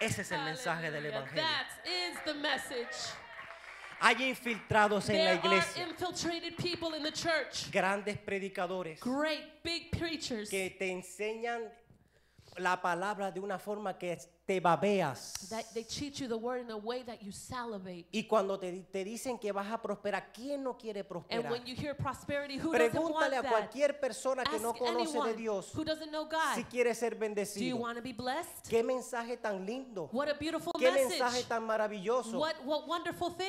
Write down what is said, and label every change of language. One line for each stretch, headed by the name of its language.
Spanish: Ese es el mensaje del Evangelio.
English: That is the message.
Spanish: Hay infiltrados en la iglesia.
English: There are infiltrated people in the church.
Spanish: Grandes predicadores.
English: Great big preachers.
Spanish: Que te enseñan la palabra de una forma que te babeas.
English: That they teach you the word in a way that you salivate.
Spanish: Y cuando te dicen que vas a prosperar, ¿quién no quiere prosperar?
English: And when you hear prosperity, who
Spanish: pregúntale
English: doesn't want
Spanish: a cualquier persona
English: ask
Spanish: que no conoce de Dios
English: who doesn't know God,
Spanish: si quiere ser bendecido.
English: Do you want to be blessed?
Spanish: ¿Qué mensaje tan lindo?
English: What a beautiful
Spanish: ¿qué
English: message?
Spanish: Mensaje tan maravilloso?
English: What wonderful things?